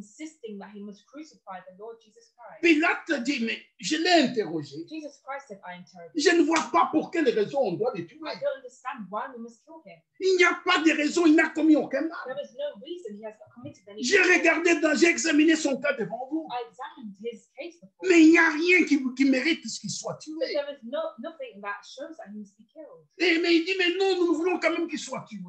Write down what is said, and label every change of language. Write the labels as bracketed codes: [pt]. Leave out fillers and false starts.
[en] insisting that he must crucify the Lord Jesus Christ. [fr] Pilate dit, mais je l'ai interrogé. [en] Jesus Christ said, I interrogated. [fr] Je ne vois pas pour quelle raison on doit le tuer. [en] I don't understand why we must kill him. [fr] Il n'y a pas de raison, il n'a commis aucun mal. [en] There is no reason he has not committed anything. [fr] J'ai regardé, j'ai examiné son cas devant vous. [en] I examined his case before. [fr] Mais il n'y a rien qui mérite qu'il soit tué. [en] But there is nothing that shows that he must be killed. [fr] Et, mais il dit, mais non, nous voulons quand même qu'il soit tué.